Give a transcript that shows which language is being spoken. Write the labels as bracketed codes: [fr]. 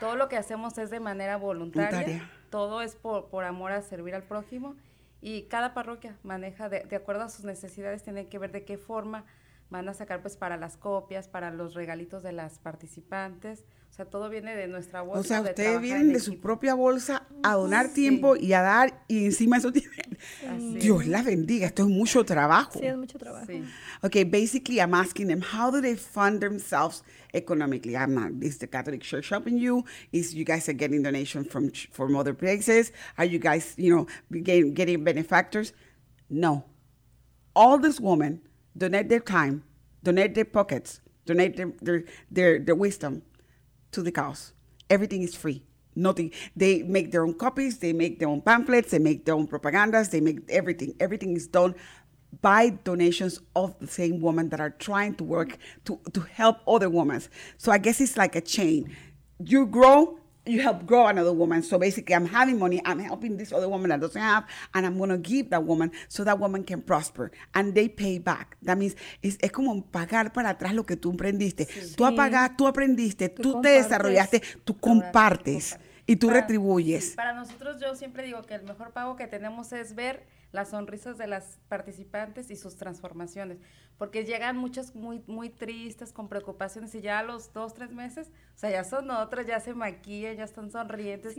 [es] Todo lo que hacemos es de manera voluntaria. Todo es por amor a servir al prójimo, y cada parroquia maneja de acuerdo a sus necesidades, tienen que ver de qué forma van a sacar, pues, para las copias, para los regalitos de las participantes. O sea, todo viene de nuestra bolsa. O sea, ustedes vienen de su propia bolsa a donar tiempo y a dar, y encima eso tiene... Así. Dios la bendiga, esto es mucho trabajo. Sí, es mucho trabajo. Sí. [en] Okay, basically I'm asking them, how do they fund themselves economically? Is the Catholic Church helping you? Is you guys are getting donations from other places? Are you guys, you know, getting benefactors? No. All these women donate their time, donate their pockets, donate their wisdom to the cause. Everything is free. Nothing. They make their own copies, they make their own pamphlets, they make their own propagandas, they make everything. Everything is done by donations of the same women that are trying to work to help other women. So I guess it's like a chain. You grow, you help grow another woman. So basically, I'm having money, I'm helping this other woman that doesn't have, and I'm gonna give that woman so that woman can prosper. And they pay back. That means, [es] es como pagar para atrás lo que tú emprendiste. Sí. Tú apagas, tú aprendiste, tú te desarrollaste, tú compartes y tú retribuyes. Para nosotros, yo siempre digo que el mejor pago que tenemos es ver las sonrisas de las participantes y sus transformaciones, porque llegan muchas muy, muy tristes, con preocupaciones, y ya a los 2-3 meses, o sea, ya son otras, ya se maquillan, ya están sonrientes.